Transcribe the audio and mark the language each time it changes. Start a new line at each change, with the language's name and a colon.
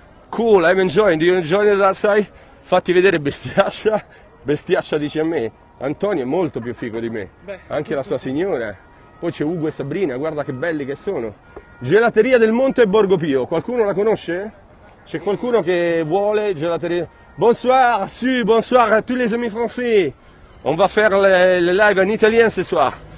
English: Cool, I'm enjoying. Do you enjoy the dark side?
Italian: Fatti vedere, bestiaccia. Bestiaccia dice a me, Antonio è molto più figo di me. Beh, anche la sua signora. Poi c'è Ugo e Sabrina, guarda che belli che sono. Gelateria del Monte e Borgo Pio, qualcuno la conosce? C'è qualcuno che vuole gelateria?
French: Bonsoir, sì, bonsoir a tous les amis français. On va faire le live en italien ce soir.